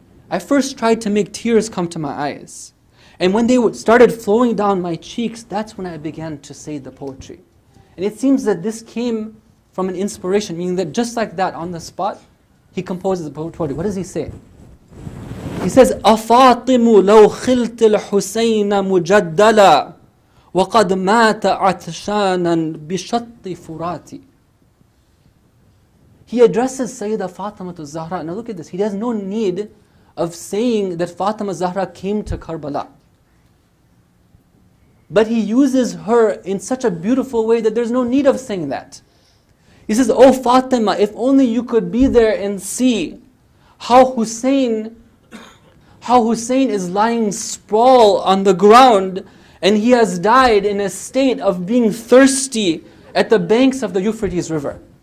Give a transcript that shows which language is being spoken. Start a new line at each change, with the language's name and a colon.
English: I first tried to make tears come to my eyes. And when they started flowing down my cheeks, that's when I began to say the poetry. And it seems that this came from an inspiration, meaning that just like that, on the spot, he composes the poetry. What does he say? He says,
Arabic: "أَفَاطِمُ لَوْ خِلْتِ الْحُسَيْنَ مُجَدَّلًا وَقَدْ مَاتَ عَتْشَانًا بِشَطِّ فُرَاتِ."
English: He addresses Sayyida Fatima al-Zahra. Now look at this. He has no need of saying that Fatima al-Zahra came to Karbala. But he uses her in such a beautiful way that there's no need of saying that. He says, "Oh Fatima, if only you could be there and see how Hussein is lying sprawl on the ground, and he has died in a state of being thirsty at the banks of the Euphrates River.